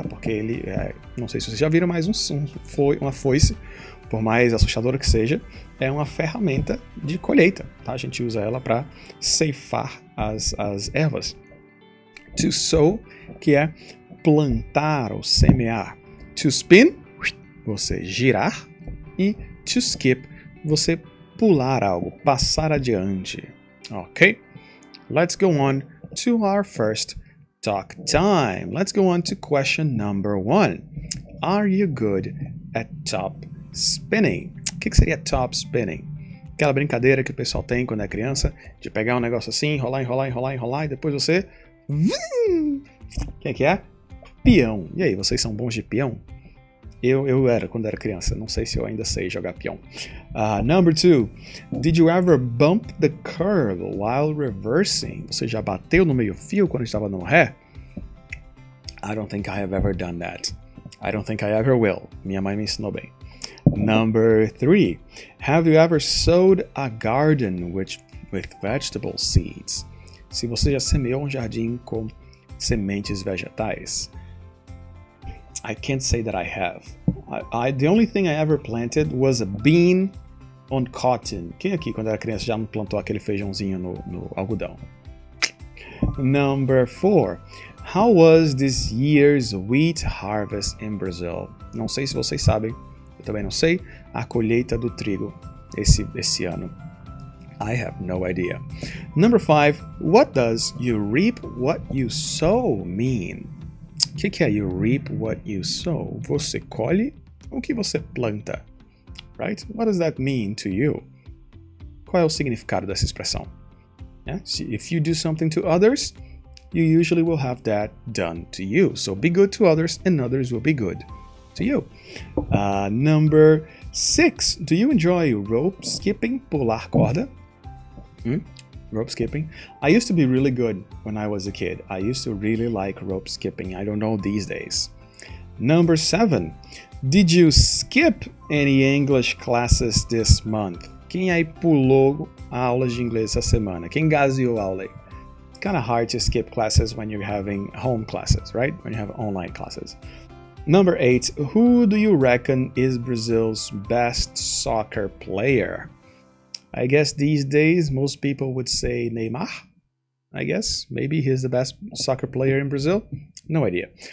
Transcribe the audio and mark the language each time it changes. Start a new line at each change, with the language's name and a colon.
Portuguese: Porque ele, é, não sei se vocês já viram, mas uma foice, por mais assustadora que seja, é uma ferramenta de colheita, tá? A gente usa ela para ceifar as ervas. To sow, que é plantar ou semear. To spin, você girar. E to skip, você pular algo, passar adiante. Ok?
English: Let's go on to our first talk time. Let's go on to question number one. Are you good at top spinning?
Portuguese: O que seria top spinning? Aquela brincadeira que o pessoal tem quando é criança, de pegar um negócio assim, enrolar, enrolar, enrolar, enrolar, e depois você... Vim! Quem é que é? Peão. E aí, vocês são bons de peão? Eu era quando era criança. Não sei se eu ainda sei jogar peão.
English: Number two. Did you ever bump the curb while reversing?
Portuguese: Você já bateu no meio fio quando estava no ré?
English: I don't think I have ever done that. I don't think I ever will.
Portuguese: Minha mãe me ensinou bem.
English: Number three. Have you ever sowed a garden with vegetable seeds?
Portuguese: Se você já semeou um jardim com sementes vegetais...
English: I can't say that I have. The only thing I ever planted was a bean on cotton.
Portuguese: Quem aqui, quando era criança, já não plantou aquele feijãozinho no algodão?
English: Number four. How was this year's wheat harvest in Brazil?
Portuguese: Não sei se vocês sabem. Eu também não sei. A colheita do trigo esse ano.
English: I have no idea. Number five. What does you reap what you sow mean?
Portuguese: O que é
English: you reap what you sow?
Portuguese: Você colhe o que você planta,
English: right? What does that mean to you?
Portuguese: Qual é o significado dessa expressão?
English: Yeah? So if you do something to others, you usually will have that done to you. So be good to others and others will be good to you. Number six, do you enjoy rope skipping?
Portuguese: Pular corda?
English: Rope skipping? I used to be really good when I was a kid. I used to really like rope skipping. I don't know these days. Number seven, did you skip any English classes this month?
Portuguese: Quem aí pulou aulas de inglês essa semana? Quem gazeou aula?
English: It's kind of hard to skip classes when you're having home classes, right? When you have online classes. Number eight, who do you reckon is Brazil's best soccer player? I guess these days most people would say Neymar. I guess maybe he's the best soccer player in Brazil. No idea.